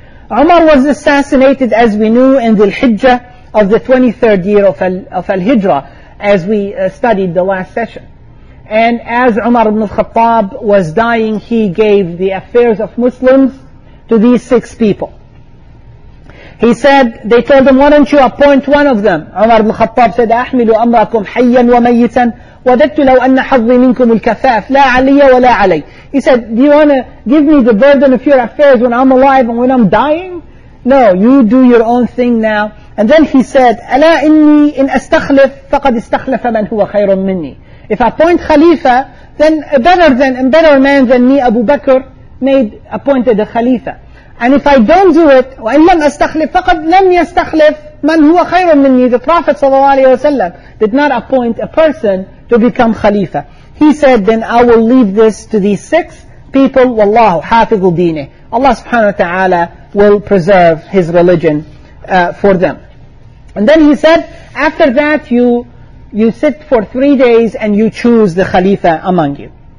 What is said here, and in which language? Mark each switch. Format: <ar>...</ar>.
<en>Umar was assassinated, as we knew, in the Hijjah of the 23rd year of Al-Hijrah, as we studied the last session. And as Umar ibn al-Khattab was dying, he gave the affairs of Muslims to these six people. He said, they told him, why don't you appoint one of them? Umar ibn al-Khattab said,</en> <ar>أحمل أمركم حيا وميتا وددت لو أن حظي منكم الكفاف لا علي ولا علي.</ar> <en>He said, do you want to give me the burden of your affairs when I'm alive and when I'm dying? No, you do your own thing now. And then he said,</en> <ar>أَلَا إِنِّي إِنْ أَسْتَخْلِفْ فَقَدْ إِسْتَخْلَفَ مَنْ هُوَ خَيْرٌ مِّنِّي.</ar> <en>If I appoint Khalifa, then a better man than me, Abu Bakr, appointed a Khalifa. And if I don't do it,</en> <ar>وَإِنْ لَمْ أَسْتَخْلِفْ فَقَدْ لَمْ يَسْتَخْلِفْ مَنْ هُوَ خَيْرٌ مِّنِّي.</ar> <en>The Prophet sallallahu alayhi wa sallam did not appoint a person to become Khalifa. He said, then I will leave this to these six people.</en> <ar>Wallahu hafidhu dini.</ar> <en>Allah subhanahu wa ta'ala will preserve his religion for them. And then he said, after that you sit for 3 days and you choose the Khalifa among you.</en>